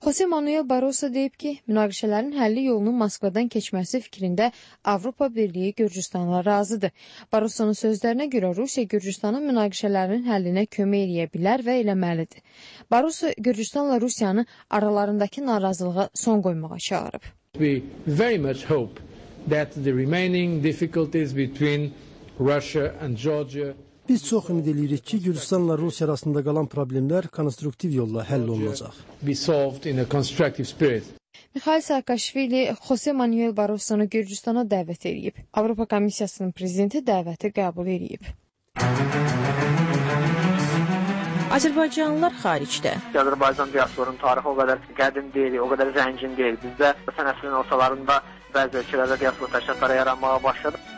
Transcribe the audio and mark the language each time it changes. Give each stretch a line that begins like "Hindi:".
Azerbaijani: Jose Manuel Barroso deyib ki, münaqişələrin həlli yolunun Moskvadan keçməsi fikrində Avropa Birliyi Gürcüstanla razıdır. Barroso'nun sözlərinə görə Rusiya Gürcüstanın münaqişələrinin həllinə kömək eləyə bilər və eləməlidir. Barroso Gürcüstanla Rusiyanı aralarındakı narazılığa son qoymağa çağırıb.
English: We very much hope that the remaining difficulties between Russia and Georgia
Azerbaijani: Biz çox ümid edirik ki, Gürcüstanla Rusiya arasında qalan problemlər konstruktiv yolla həll olunacaq.
English: Be solved in a constructive spirit.
Azerbaijani: Mikhail Saakashvili Jose Manuel Barroso'nu Gürcüstana dəvət edib. Avropa Komissiyasının prezidenti dəvəti qəbul edib. Azərbaycanlılar xaricdə. Azərbaycan diasporunun tarixi o qədər qədim deyil, o qədər zəngin deyil. Bizdə ötən əsrin ortalarında bəzi ölkələrdə diaspor təşkilatları yaranmağa başladı.